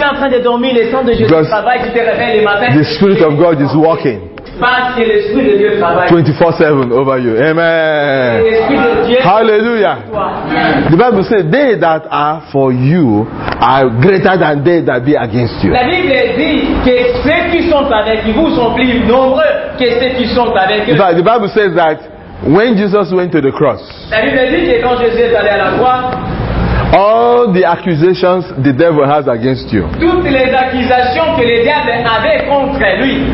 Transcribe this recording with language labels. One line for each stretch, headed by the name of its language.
English: the Spirit of God is walking 24/7 over you. Amen. Hallelujah. The Bible says, they that are for you are greater than they that be against you.
French: La Bible dit que ceux qui sont avec vous sont plus nombreux que ceux qui sont avec eux.
English: The Bible says that when Jesus went to the cross,
French: la Bible dit que quand Jésus est allé à la croix,
English: all the accusations the devil has against you,
French: toutes les accusations que le diable avait contre lui,